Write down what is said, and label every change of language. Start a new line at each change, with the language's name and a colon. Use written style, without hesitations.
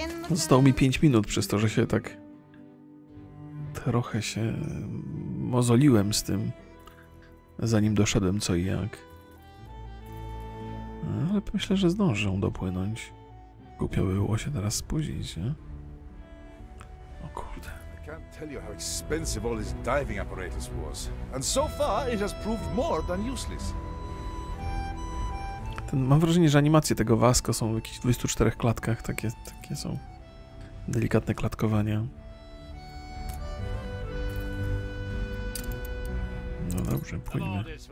Polish: Zostało mi 5 minut przez to, że się tak trochę się mozoliłem z tym, zanim doszedłem co i jak. Ale myślę, że zdążę dopłynąć. Głupio było się teraz spóźnić, nie?
English: Tell you how expensive all this diving apparatus was, and so far it has proved more than useless.
Polish: Ten, mam wrażenie, że animacje tego Vasco są w jakichś 24 klatkach, takie są delikatne klatkowania. No dobrze, płyniemy.